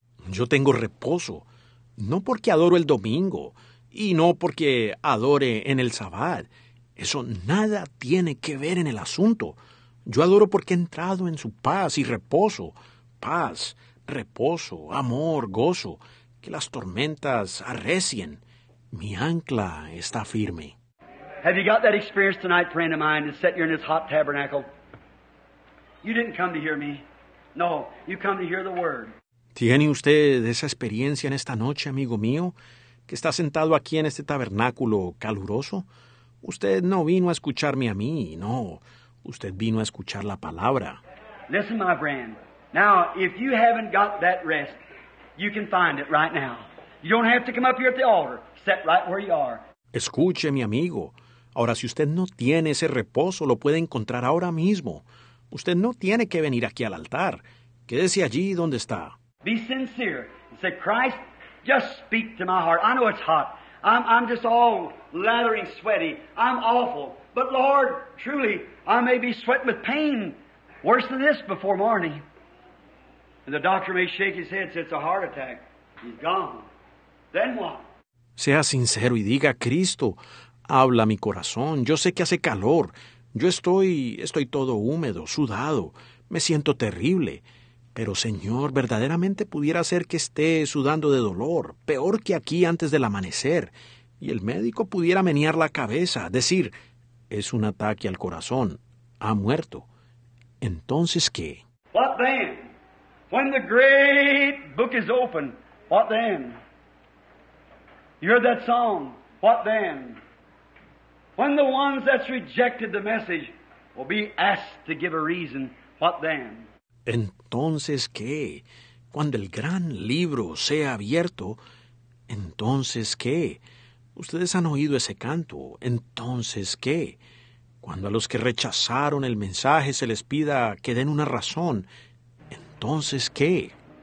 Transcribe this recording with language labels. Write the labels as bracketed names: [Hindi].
[Spanish] Yo tengo reposo. No porque adoro el domingo, y no porque adore en el sabbat. Eso nada tiene que ver en el asunto. Yo adoro porque he entrado en su paz y reposo. Paz, reposo, amor, gozo. Que las tormentas arrecien. Mi ancla está firme. [English] Have you got that experience tonight, friend of mine, that sat here in this hot tabernacle? You didn't come to hear me. No, you come to hear the word. [Spanish] ¿Tiene usted esa experiencia en esta noche, amigo mío, que está sentado aquí en este tabernáculo caluroso? Usted no vino a escucharme a mí, no. Usted vino a escuchar la palabra. [English] Listen, my friend. Now, if you haven't got that rest, you can find it right now. You don't have to come up here at the altar. Sit right where you are. [Spanish] Escuche, mi amigo. Ahora, si usted no tiene ese reposo, lo puede encontrar ahora mismo. Usted no tiene que venir aquí al altar. Quédese allí donde está. [English] Be sincere. Say, Christ, just speak to my heart. I know it's hot. I'm just all lathering sweaty. I'm awful. But Lord, truly, I may be sweating with pain worse than this before morning. And the doctor may shake his head and say, it's a heart attack. He's gone. Then what? [Spanish] Sea sincero y diga, Cristo, habla mi corazón. Yo sé que hace calor. Yo estoy todo húmedo, sudado. Me siento terrible. Pero, Señor, verdaderamente pudiera ser que esté sudando de dolor, peor que aquí antes del amanecer. Y el médico pudiera menear la cabeza, decir, es un ataque al corazón, ha muerto. Entonces, ¿qué? [English] What then? When the great book is open, what then? You heard that song, what then? When the ones that's rejected the message will be asked to give a reason, what then? [Spanish] Entonces, ¿qué? Cuando el gran libro sea abierto, entonces, ¿qué? Ustedes han oído ese canto, entonces, ¿qué? Cuando a los que rechazaron el mensaje se les pida que den una razón, entonces, ¿qué?